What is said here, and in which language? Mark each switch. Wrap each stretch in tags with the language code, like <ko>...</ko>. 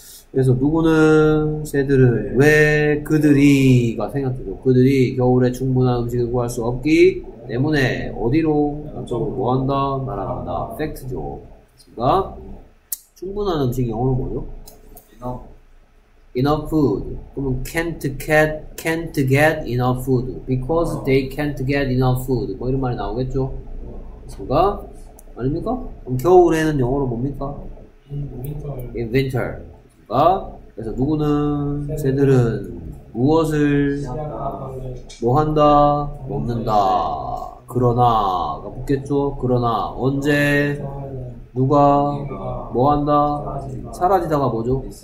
<ko>그래서 누구는 새들을, 네. 왜 그들이가 생각되죠. 그들이 겨울에 충분한 음식을 구할 수 없기 때문에 어디로, 남쪽으로 뭐한다, 날아간다. 팩트죠, 됐습니까? 충분한 음식 영어로 뭐죠?</ko> <en>Enough food. 그러면 can't get enough food because they can't get enough food.</en> <ko>뭐 이런 말이 나오겠죠. 그렇습니까? 아닙니까? 그럼 겨울에는 영어로 뭡니까?</ko> <en>In winter.</en> <ko>그렇습니까? 그래서 누구는 새들은 무엇을 뭐 한다 먹는다. 그러나가 붙겠죠. 그러나 언제 누가 뭐 한다 사라지다가 뭐죠?</ko>